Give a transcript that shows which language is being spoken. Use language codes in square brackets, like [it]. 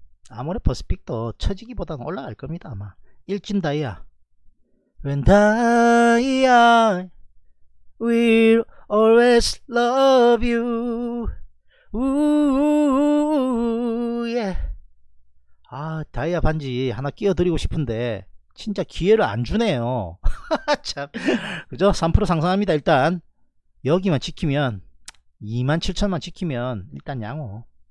[ko] 아모레퍼스픽도 처지기보다는 올라갈 겁니다, 아마. 일진다이아. [en] When I will always love you. Ooh, yeah. [ko] 아, 다이아 반지 하나 끼워드리고 싶은데, 진짜 기회를 안 주네요. 참. 그죠? 3% 상승합니다, 일단. 여기만 지키면, 27,000만 지키면, 일단 양호.